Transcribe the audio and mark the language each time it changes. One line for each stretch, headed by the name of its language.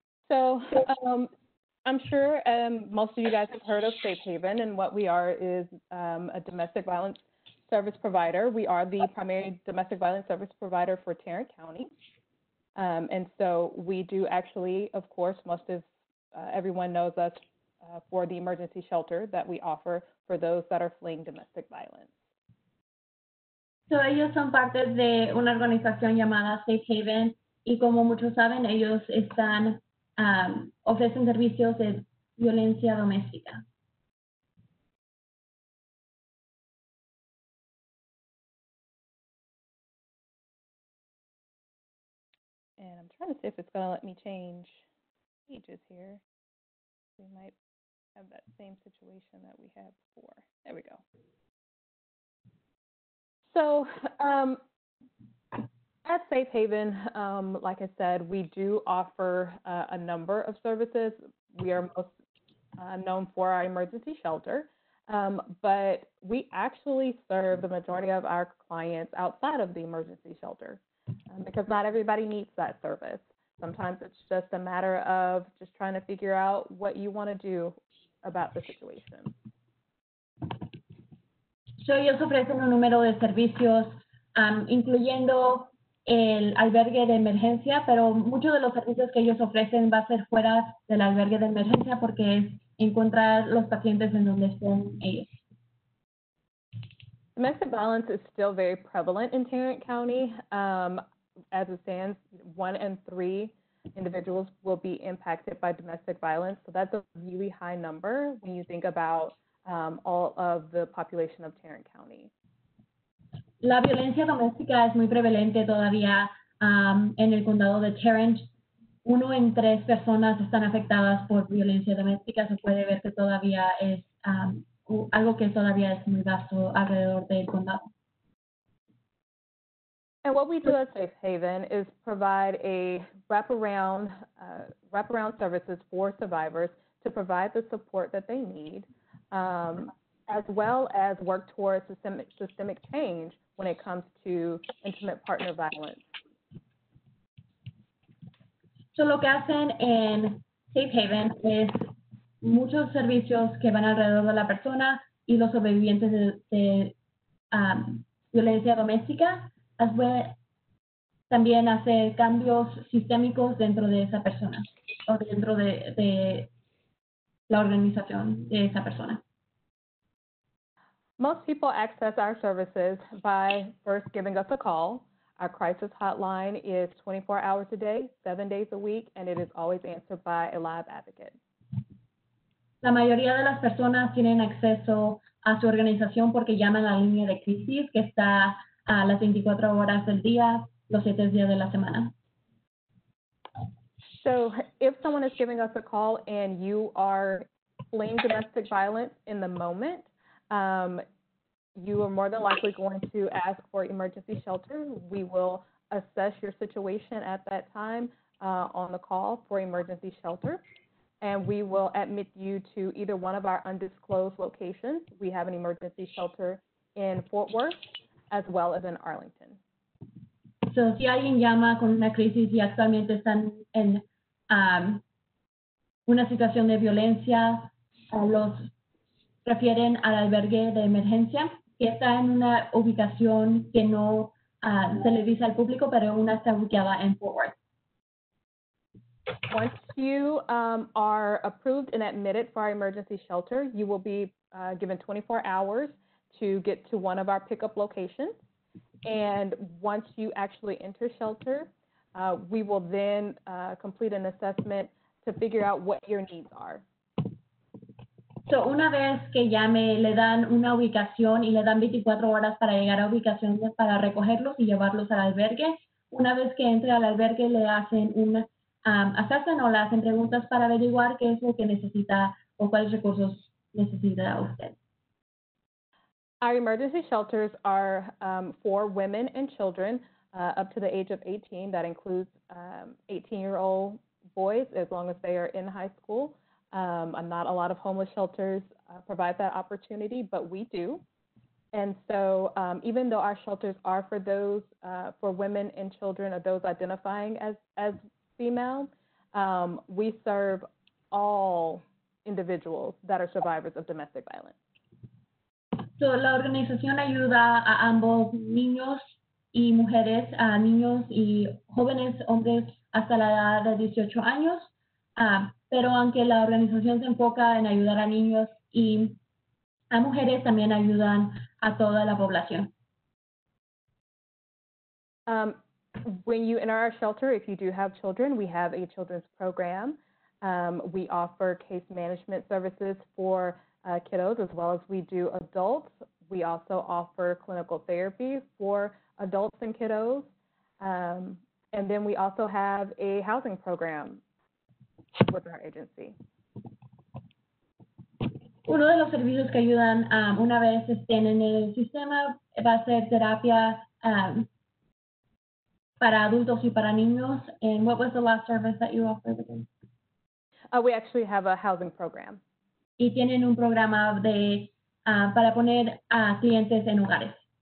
English: So I'm sure most of you guys have heard of Safe Haven, and what we are is a domestic violence service provider. We are the primary domestic violence service provider for Tarrant County. And so we do actually, of course, most of everyone knows us for the emergency shelter that we offer for those that are fleeing domestic violence.
Spanish: So ellos son parte de una organización llamada Safe Haven, y como muchos saben, ellos están ofrecen servicios de violencia doméstica.
English: And I'm trying to see if it's going to let me change pages here. We might have that same situation that we had before. There we go. So at Safe Haven, like I said, we do offer a number of services. We are most known for our emergency shelter, but we actually serve the majority of our clients outside of the emergency shelter because not everybody needs that service. Sometimes it's just a matter of just trying to figure out what you want to do about the situation.
Spanish: So ellos ofrecen un número de servicios, incluyendo el albergue de emergencia, pero muchos de los servicios que ellos ofrecen va a ser fuera del albergue de emergencia porque es encontrar los pacientes en donde estén ellos.
English: Domestic violence is still very prevalent in Tarrant County. As it stands, 1 in 3 individuals will be impacted by domestic violence. So that's a really high number when you think about all of the population of Tarrant County.
Spanish: La violencia doméstica es muy prevalente todavía en el condado de Tarrant.
English: 1 in 3
Spanish: personas están afectadas por violencia doméstica. Se puede ver que todavía es algo que todavía es muy vasto alrededor del condado.
English: And what we do at Safe Haven is provide a wraparound services for survivors to provide the support that they need, as well as work towards systemic change when it comes to intimate partner violence.
Spanish: So lo que hacen en Safe Haven es muchos servicios que van alrededor de la persona y los sobrevivientes de violencia doméstica,
English: as well
Spanish: también hacer cambios sistémicos dentro de esa persona o dentro de la organización de esa persona.
English: Most people access our services by first giving us a call. Our crisis hotline is 24 hours a day, 7 days a week, and it is always answered by a live advocate.
Spanish: La mayoría de las personas tienen acceso a su organización porque llaman a la línea de crisis que está a las 24 horas del día, los 7 días de la semana.
English: So if someone is giving us a call and you are fleeing domestic violence in the moment, you are more than likely going to ask for emergency shelter. We will assess your situation at that time on the call for emergency shelter, and we will admit you to either one of our undisclosed locations. We have an emergency shelter in Fort Worth as well as in Arlington.
Spanish: So si alguien llama con una crisis y actualmente están en una situación de violencia, los refieren al albergue de emergencia, que está en una ubicación que no se le dice al público, pero una está ubicada en Fort Worth.
English: Once you are approved and admitted for our emergency shelter, you will be given 24 hours to get to one of our pickup locations. And once you actually enter shelter, we will then complete an assessment to figure out what your needs are.
Spanish: So una vez que llame, le dan una ubicación y le dan 24 horas para llegar a ubicaciones para recogerlos y llevarlos al albergue. Una vez que entre al albergue, le hacen un assessment o le hacen preguntas para averiguar qué es lo que necesita o cuáles recursos necesita usted.
English: Our emergency shelters are for women and children up to the age of 18. That includes 18-year-old boys as long as they are in high school. Not a lot of homeless shelters provide that opportunity, but we do. And so even though our shelters are for those, for women and children, or those identifying as female, We serve all individuals that are survivors of domestic violence.
Spanish: So la organización ayuda a ambos niños y mujeres, niños y jóvenes hombres hasta la edad de 18 años. Pero aunque la organización se enfoca en ayudar a niños y a mujeres, también ayudan a toda la población.
English: When you enter our shelter, if you do have children, we have a children's program. We offer case management services for kiddos as well as we do adults. We also offer clinical therapy for adults and kiddos. And then we also have a housing program with our agency.
Spanish: Uno de los servicios que ayudan una vez estén en el sistema va a ser terapia para adultos y para niños.
English: And what was the last service that you offered again? We actually have a housing program.
Spanish: Y tienen un programa de para poner a clientes en hogares.